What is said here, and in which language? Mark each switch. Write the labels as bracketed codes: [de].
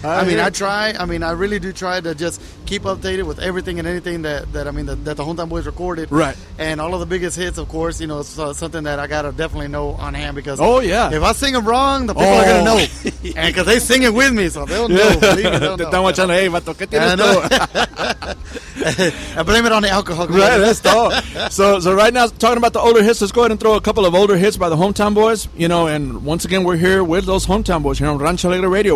[en] I really do try to just keep updated with everything and anything that the Hometown Boys recorded. Right. And all of the biggest hits, of course, you know, it's something that I got to definitely know on hand because. Oh, yeah. If I sing them wrong, the people are going to know. And because they sing it with me, so they'll know. [es] Te están watching, hey, vato, ¿qué tienes tú? [en] I blame it on the alcohol. Right, that's all. So right now, talking about the older hits, let's go ahead and throw a couple of older hits by the Hometown Boys. You know, and once again, we're here with those Hometown Boys here on Rancho Alegre Radio.